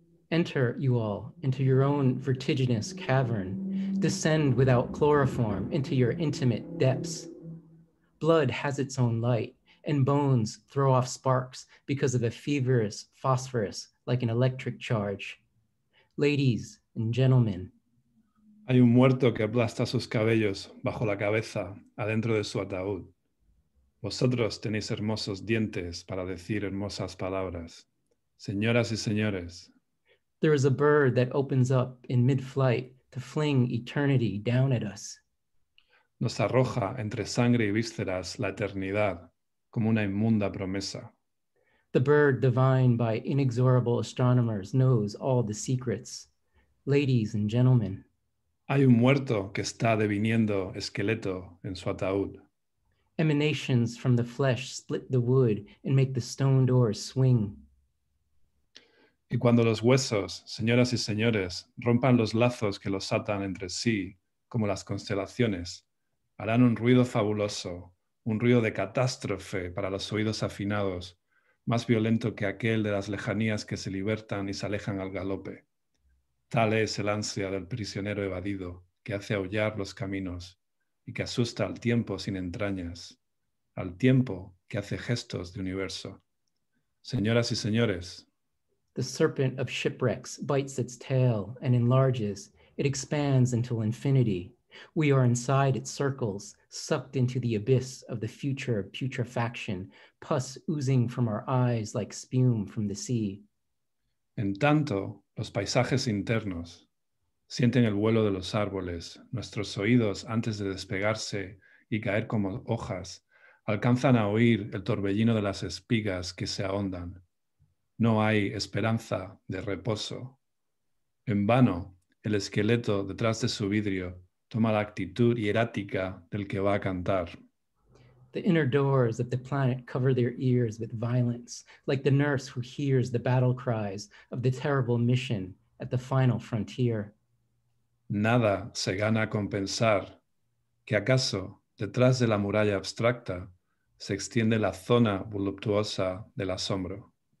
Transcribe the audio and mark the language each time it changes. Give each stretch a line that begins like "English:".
English: Enter, you all, into your own vertiginous cavern. Descend without chloroform into your intimate depths. Blood has its own light, and bones throw off sparks because of a feverous phosphorus like an electric charge. Ladies and gentlemen.
Spanish: Hay un muerto que aplasta sus cabellos bajo la cabeza adentro de su ataúd. Vosotros tenéis hermosos dientes para decir hermosas palabras. Señoras y señores.
English: There is a bird that opens up in mid-flight to fling eternity down at us.
Spanish: Nos arroja entre sangre y vísceras la eternidad como una inmunda promesa.
English: The bird, divined by inexorable astronomers, knows all the secrets. Ladies and gentlemen.
Spanish: Hay un muerto que está deviniendo esqueleto en su ataúd.
English: Emanations from the flesh split the wood and make the stone doors swing.
Spanish: Y cuando los huesos, señoras y señores, rompan los lazos que los atan entre sí, como las constelaciones, harán un ruido fabuloso, un ruido de catástrofe para los oídos afinados, más violento que aquel de las lejanías que se libertan y se alejan al galope. Tal es el ansia del prisionero evadido que hace aullar los caminos y que asusta al tiempo sin entrañas, al tiempo que hace gestos de universo. Señoras y señores,
English: the serpent of shipwrecks bites its tail and enlarges. It expands until infinity. We are inside its circles, sucked into the abyss of the future putrefaction, pus oozing from our eyes like spume from the sea.
Spanish: En tanto, los paisajes internos sienten el vuelo de los árboles. Nuestros oídos, antes de despegarse y caer como hojas, alcanzan a oír el torbellino de las espigas que se ahondan. No hay esperanza de reposo. En vano, el esqueleto detrás de su vidrio toma la actitud hierática del que va a cantar.
English: The inner doors of the planet cover their ears with violence, like the nurse who hears the battle cries of the terrible mission at the final frontier.
Spanish: Nada se gana con pensar que acaso detrás de la muralla abstracta se extiende la zona voluptuosa del asombro.